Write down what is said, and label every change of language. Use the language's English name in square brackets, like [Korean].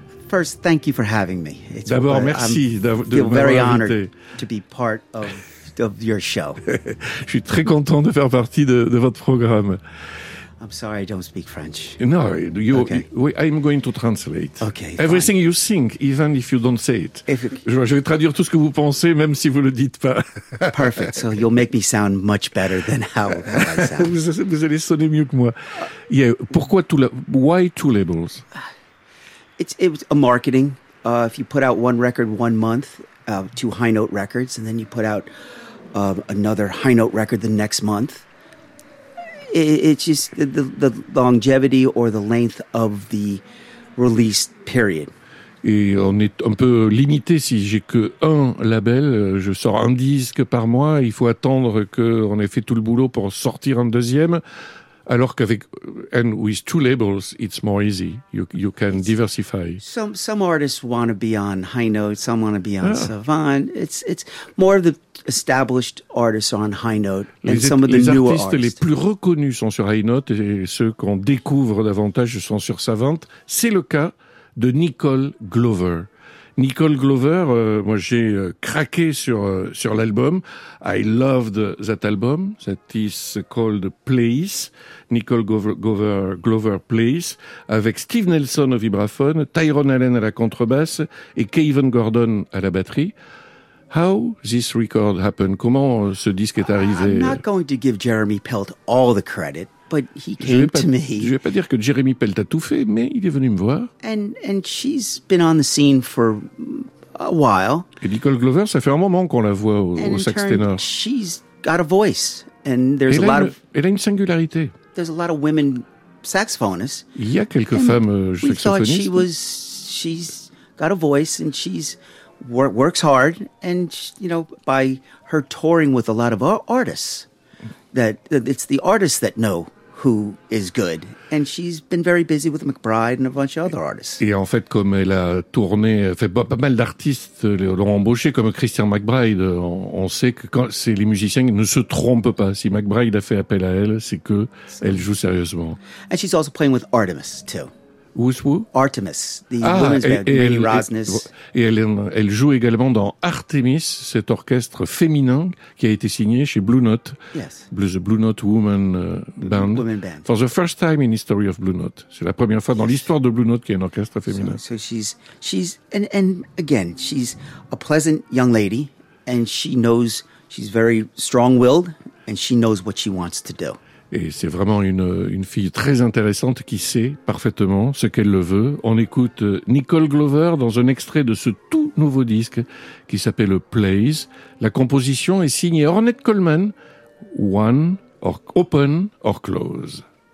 [English] First, thank you for having me. [French] D'abord, merci de m'avoir invité. [English] I feel very honored to be part of your show. [French] Je suis très content de faire partie de votre programme. [English] I'm sorry, I don't speak French. No, I'm going to translate. Okay, everything you think, even if you don't say it. [French] Je vais traduire tout ce que vous pensez, même si vous ne le dites pas. [English] Perfect, so you'll make me sound much better than how I sound. [French] Vous allez sonner mieux que moi. [English] Yeah, [French] pourquoi [English] why two labels? It's a marketing. If you put out one record one month, two High Note records, and then you put out another High Note record the next month. It's just the longevity or the length of the release period. [French] Et on est un peu limité si j'ai que un label, je sors un disque par mois, il faut attendre qu'on ait fait tout le boulot pour sortir un deuxième. Alors qu'avec, [English] and with two labels, it's more easy. You can diversify. Some artists want to be on High Note. Some want to be on Savant. It's more of the established artists are on High Note, and some of the newer artists. [French] Les artistes les plus reconnus sont sur High Note, et ceux qu'on découvre davantage sont sur Savant. C'est le cas de Nicole Glover. Nicole Glover, moi j'ai craqué sur l'album. [English] I loved that album. That is called Place. [French] Nicole Glover Place. Avec Steve Nelson au vibraphone, Tyrone Allen à la contrebasse et Kevin Gordon à la batterie. [English] How this record happened? [French] Comment ce disque est arrivé? [English] I'm not going to give Jeremy Pelt all the credit, but he came to me. [French] Je vais pas dire que Jeremy Pelt a tout fait, mais il est venu me voir. [English] And she's been on the scene for a while. [French] Et Nicole Glover, ça fait un moment qu'on la voit au sax ténor. [English] She's got a voice, and there's [French] Elle a une singularité. [English] There's a lot of women saxophonists. [French] Il y a quelques femmes saxophonistes. [English] We thought she's got a voice, and she's works hard, and you know, by her touring with a lot of artists, that it's the artists that know who is good. And she's been very busy with McBride and a bunch of other artists. [French] Et en fait, comme elle a tourné, fait pas mal d'artistes l'ont embauché, comme Christian McBride, on sait que quand c'est les musiciens ne se trompent pas. Si McBride a fait appel à elle, c'est que elle joue sérieusement. [English] And she's also playing with Artemis, too. Who's who? Artemis, the women's band, Marie Rosnes. [French] Et elle joue également dans Artemis, cet orchestre féminin qui a été signé chez Blue Note. [English] Yes. Blue Note Women Band. Women Band. For the first time in history of Blue Note. [French] C'est la première fois dans l'histoire de Blue Note qu'il y a un orchestre féminin. [English] So she's and again, she's a pleasant young lady, and she knows, she's very strong-willed, and she knows what she wants to do. [French] Et c'est vraiment une fille très intéressante qui sait parfaitement ce qu'elle le veut. On écoute Nicole Glover dans un extrait de ce tout nouveau disque qui s'appelle Plays. La composition est signée Ornette Coleman, One, or Open or Close.